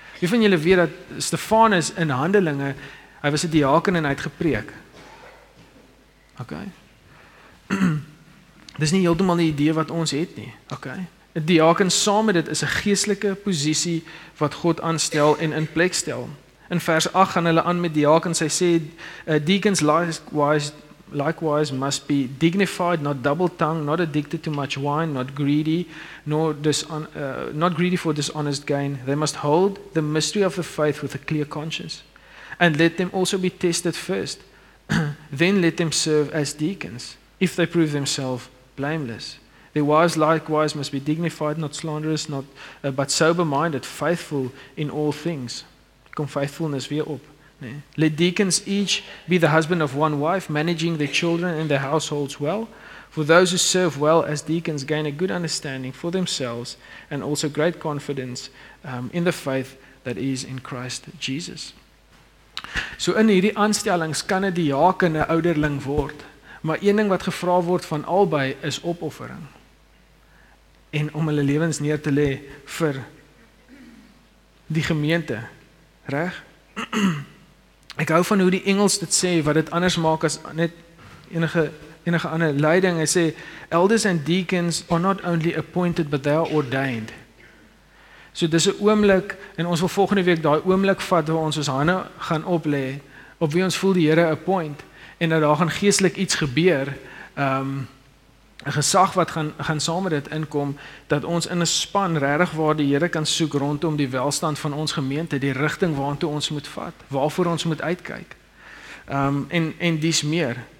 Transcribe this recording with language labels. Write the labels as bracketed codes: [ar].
[af] Wie van julle weet dat Stefanus in Handelinge, hy was 'n diaken en hy het gepreek. Okay. Dis nie heeltemal die idee wat ons het nie. Okay. Die diaken saam met dit is 'n geestelike posisie wat God aanstel en in plek stel. In vers 8 gaan hulle aan met diakens. Hy sê [en] deacons likewise likewise must be dignified, not double-tongued, not addicted to much wine, not greedy, nor not greedy for dishonest gain. They must hold the mystery of the faith with a clear conscience. And let them also be tested first. Then let them serve as deacons, if they prove themselves blameless. Their wives likewise must be dignified, not slanderous, but sober-minded, faithful in all things. [af] Kom faithfulness weer op. [en] Let deacons each be the husband of one wife, managing their children and their households well. For those who serve well as deacons gain a good understanding for themselves and also great confidence in the faith that is in Christ Jesus. [af] So in hierdie aanstellings kan 'n diaken 'n ouderling word, maar een ding wat gevra word van albei is opoffering. En om hulle lewens neer te lê vir die gemeente, reg? Ek hou van hoe die Engels dit sê, wat dit anders maak as net enige ander leiding. Hy sê, [en] elders and deacons are not only appointed, but they are ordained. [af] So dis 'n oomblik, en ons wil volgende week daai oomblik vat, waar ons hande gaan oplê, op wie ons voel die Here appoint, en dat daar gaan geestelik iets gebeur, 'n gesag wat gaan saam met dit inkom, dat ons in 'n span regtig waar die Here kan soek rondom die welstand van ons gemeente, die rigting waartoe ons moet vat, waarvoor ons moet uitkyk. En dis meer.